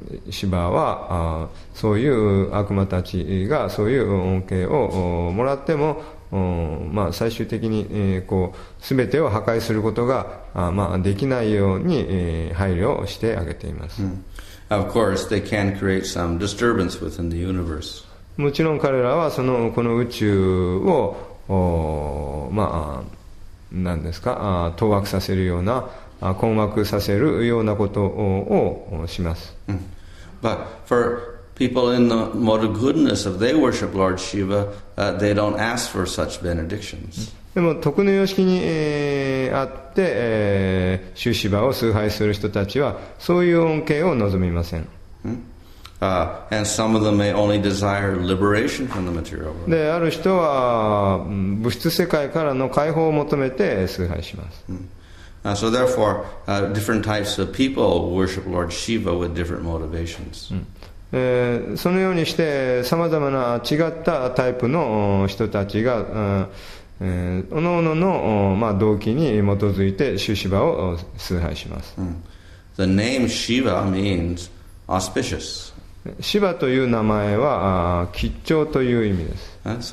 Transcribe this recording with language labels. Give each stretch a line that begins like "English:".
Japanese: シバはそういう悪魔たちがそういう恩恵をもらっても、まあ、最終的に、こう全てを破壊することが、まあ、できないように、配慮をしてあげています、 mm.
English: Of course, they can create some disturbance within the universe.
Japanese: もちろん彼らはそのこの宇宙を、まあ、何ですか、倒幕させるような困惑させるようなことをします。
English: But for people in the mode of goodness, if they worship Lord Shiva, they don't ask for such benedictions.
Japanese: でも徳の様式にあって、シュシバを崇拝する人たちはそういう恩恵を望みません。
English: And some of them may only desire liberation from the material world.
Japanese: である人は物質世界からの解放を求めて崇拝します。
English: So therefore, different types of people worship Lord Shiva with different motivations.
Japanese: そのようにして、さまざまな違ったタイプの人たちが、各々の、まあ、動機に基づいてシュシバを崇拝します。
English: The name Shiva means auspicious.
Japanese: シバという名前は、吉兆という意味です。